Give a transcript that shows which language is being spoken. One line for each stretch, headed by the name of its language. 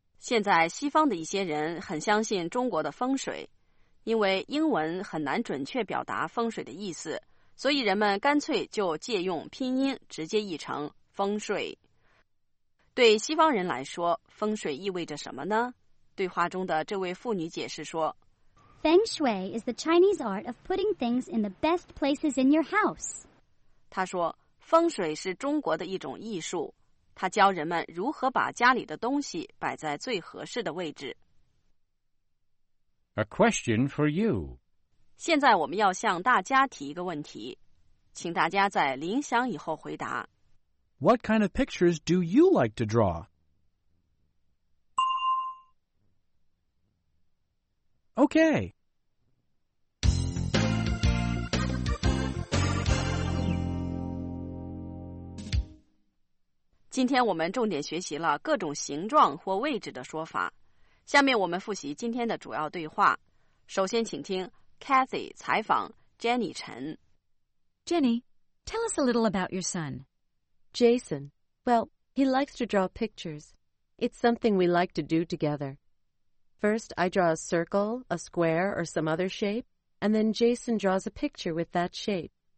Chinese: Now, 西方的一些人很相信中国的风水，因为英文很难准确表达风水的意思。所以人们干脆就借用拼音直接译成风水。对西方人来说，风水意味着什么呢？对话中的这位妇女解释说
English: Feng shui is the Chinese art of putting things in the best places in your house.
Chinese: 她说风水是中国的一种艺术，它教人们如何把家里的东西摆在最合适的位置。
English: A question for you.
Chinese: 现在我们要向大家提一个问题，请大家在铃响以后回答。
English: What kind of pictures do you like to draw? Okay.
Chinese: 今天我们重点学习了各种形状或位置的说法。下面我们复习今天的主要对话。首先请听Cathy 采访 Jenny Chen.
English: Jenny, tell us a little about your son. Jason. Well, he likes to draw pictures. It's something we like to do together. First, I draw a circle, a square, or some other shape, and then Jason draws a picture with that shape.